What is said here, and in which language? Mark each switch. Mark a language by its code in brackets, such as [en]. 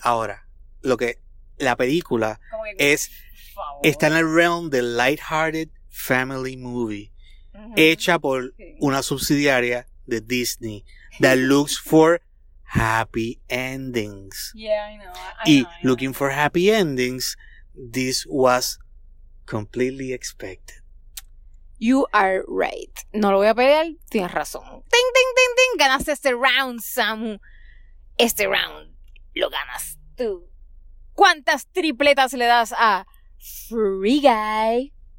[es] ahora lo que la película está en el realm del [en] lighthearted family movie, [es] uh-huh, hecha por una subsidiaria de Disney [en] that looks for happy endings. Yeah, I know. For happy endings, this was completely expected. You are right. [es] No lo voy a pelear, tienes razón. Ding, ding, ding, ding. Ganaste este round, Samu. Este round lo ganas tú. ¿Cuántas tripletas le das a Free Guy?